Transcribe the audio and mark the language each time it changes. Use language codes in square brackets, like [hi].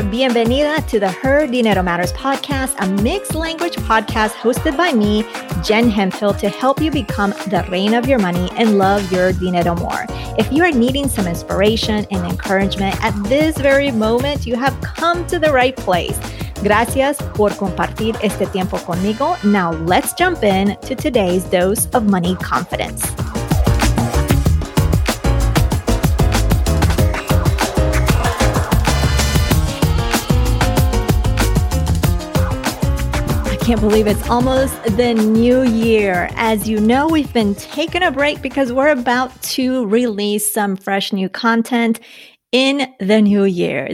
[en] Bienvenida to the Her Dinero Matters podcast, a mixed language podcast hosted by me, Jen Hemphill, to help you become the reina of your money and love your dinero more. If you are needing some inspiration and encouragement at this very moment, you have come to the right place. [es] Gracias por compartir este tiempo conmigo. [en] Now let's jump in to today's dose of money confidence. Can't believe it's almost the new year. As you know, we've been taking a break because we're about to release some fresh new content in the new year.